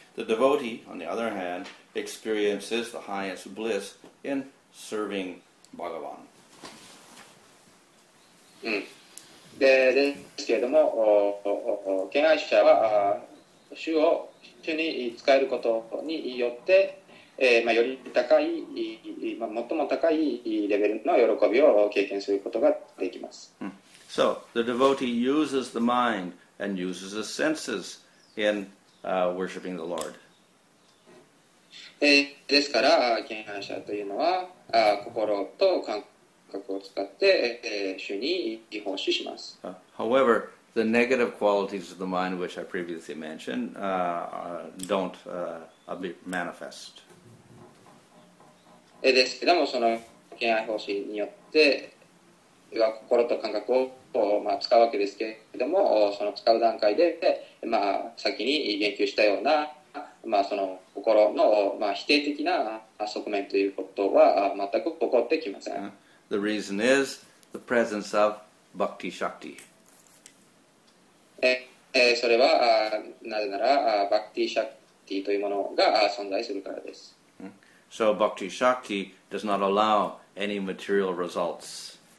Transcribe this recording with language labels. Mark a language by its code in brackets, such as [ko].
[en] The devotee, on the other hand, experiences the highest bliss in serving Bhagavan. [ja] ですけれども、敬愛者は主に仕えることによって、より高い、最も高いレベルの喜びを経験することができます。 [en] So, the devotee uses the mind and uses his senses in worshipping the Lord. [ja] ですから、敬愛者というのは、心と感覚を使って、主に奉仕します。 [en] However, the negative qualities of the mind, which I previously mentioned, don't manifest. [ja] ですけども、その敬愛奉仕によって、心と感覚を使うわけですけれども、その使う段階で、まあ、先に言及したような、まあ、その心の、まあ、否定的な側面ということは全く起こってきません。 [en] The reason is the presence of bhakti shakti. [ja] それはなぜなら、bhakti shakti というものが存在するからです。 [en] So bhakti shakti does not allow any material results.